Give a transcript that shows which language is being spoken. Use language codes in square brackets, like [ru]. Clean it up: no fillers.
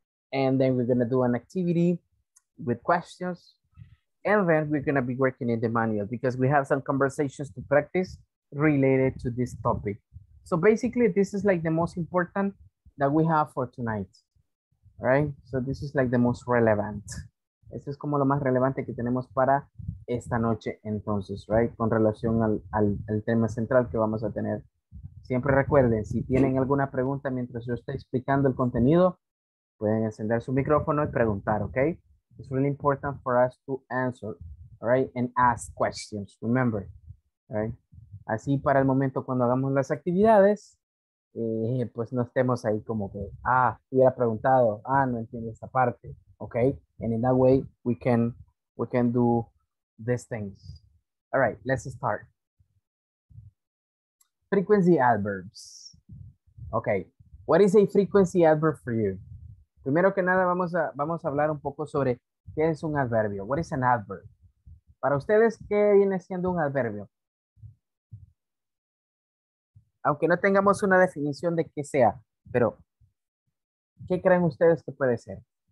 [en] And then we're going to do an activity with questions. And then we're going to be working in the manual because we have some conversations to practice related to this topic. So basically, this is like the most important that we have for tonight, right? So this is like the most relevant. [es] Esto es como lo más relevante que tenemos para esta noche entonces, right? Con relación al tema central que vamos a tener. Siempre recuerden, si tienen alguna pregunta mientras yo estoy explicando el contenido, pueden encender su micrófono y preguntar, okay? [en] It's really important for us to answer, right? And ask questions, remember, right? [es] Así para el momento cuando hagamos las actividades, pues no estemos ahí como que, ah, hubiera preguntado, ah, no entiendo esta parte, okay? [en] And in that way, we can do these things. All right, let's start. Frequency adverbs. Okay, what is a frequency adverb for you? [es] Primero que nada, vamos a hablar un poco sobre qué es un adverbio. [en] What is an adverb? [es] Para ustedes, ¿qué viene siendo un adverbio? Aunque no tengamos una definición de qué sea, pero ¿qué creen ustedes que puede ser?